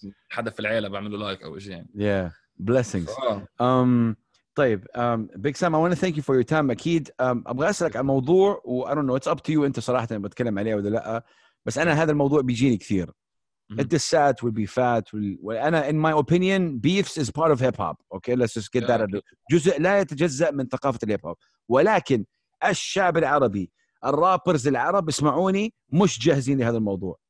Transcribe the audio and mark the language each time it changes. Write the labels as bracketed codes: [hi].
[ar] حدا في العيلة بعمله لايك أو إشي يعني. [en] Yeah. Blessings. [ar] طيب [en] Big Sam, I want to thank you for your time. [ar] أكيد أبغى أسألك عن موضوع و [en] I don't know it's up to you [ar] أنت صراحة بتكلم عليه ولا لأ, بس أنا هذا الموضوع بيجيني كثير. الدسات والبيفات وانا [en] in my opinion beefs is part of hip hop. Okay, let's just get that out. [ar] جزء لا يتجزأ من ثقافة الهيب هوب. ولكن الشعب العربي الرابرز العرب اسمعوني مش جاهزين لهذا الموضوع.